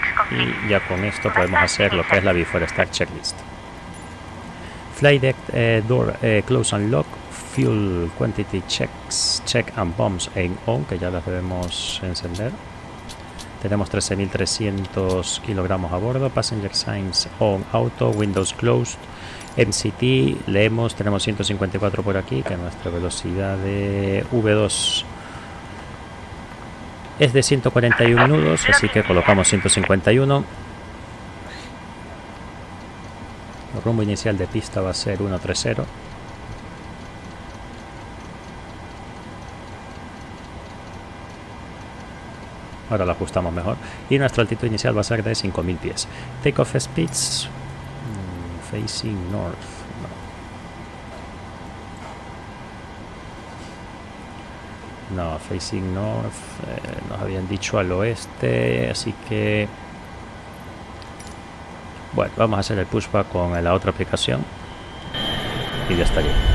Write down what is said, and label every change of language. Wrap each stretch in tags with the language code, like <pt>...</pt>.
<es>Y ya con esto podemos hacer lo que es la before start checklist.</es> <en>Flight deck door close and lock. Fuel quantity checks, check and bombs en on,</en> <es>que ya las debemos encender. Tenemos 13.300 kilogramos a bordo.</es> <en>Passenger signs on auto. Windows closed.</en> <es>MCT leemos, tenemos 154 por aquí, que nuestra velocidad de V2 es de 141 nudos, así que colocamos 151. El rumbo inicial de pista va a ser 130. Ahora lo ajustamos mejor. Y nuestra altitud inicial va a ser de 5000 pies.</es> <en>Take off speeds facing north.</en> <es>No, facing north, nos habían dicho al oeste, así que bueno, vamos a hacer el pushback con la otra aplicación y ya estaría.</es>